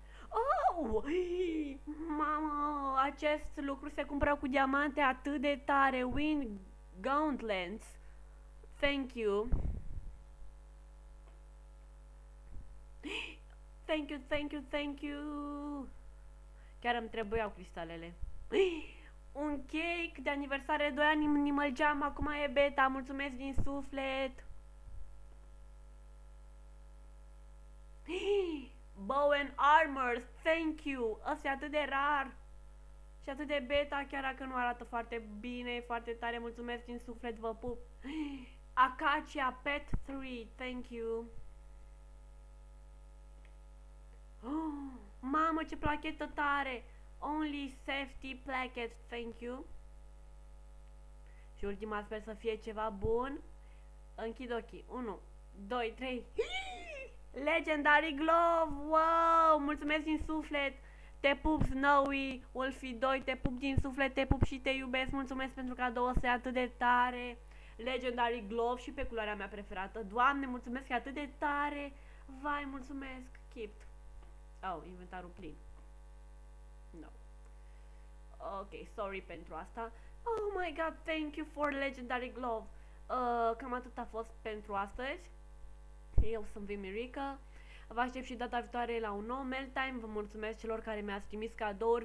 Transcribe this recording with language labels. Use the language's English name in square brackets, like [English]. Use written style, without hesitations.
[Romanian] Oh! Mamă, acest lucru se cumpără cu diamante atât de tare. [English] Wind Gauntlets, thank you. Thank you, thank you, thank you. [Romanian] Chiar îmi trebuiau cristalele. Un cake de aniversare, 2 ani, nimălgeam, acum e beta, mulțumesc din suflet. [English] Bow and armor, thank you. [Romanian] Asta e atât de rar și atât de beta, chiar dacă nu arată foarte bine, foarte tare, mulțumesc din suflet, vă pup. [English] Acacia Pet 3, thank you. [Romanian] Mamă, ce plachetă tare! [English] Only safety plaquette, thank you. [Romanian] Și ultima, sper să fie ceva bun. Închid ochii. 1, 2, 3. [English] Legendary glove! Wow! [Romanian] Mulțumesc din suflet! Te pup, Snowywolfy2, te pup din suflet, te pup și te iubesc. Mulțumesc pentru cadou ăsta, e atât de tare. [English] Legendary glove [Romanian] și pe culoarea mea preferată. Doamne, mulțumesc, e atât de tare. Vai, mulțumesc. Keep. Au, oh, inventarul plin. No. Ok, sorry pentru asta. [English] Oh my god, thank you for legendary glove. [Romanian] Cam atât a fost pentru astăzi. Eu sunt VIPMiriKaa. Vă aștept și data viitoare la un nou MailTime. Vă mulțumesc celor care mi-ați trimis cadouri.